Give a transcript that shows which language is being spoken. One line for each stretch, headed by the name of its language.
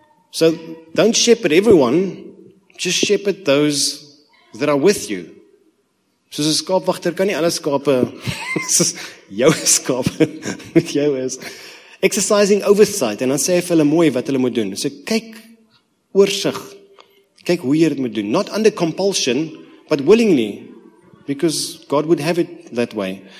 English: So, don't shepherd everyone, just shepherd those that are with you.
Afrikaans: Soos 'n skaapwagter kan nie alle skape, soos jou skaap met jou is.
English: Exercising oversight,
Afrikaans: en dan sê hy vir hulle mooi wat hulle moet doen. So, kyk oorsig, kyk hoe jy dit moet doen.
English: Not under compulsion, but willingly, because God would have it that way.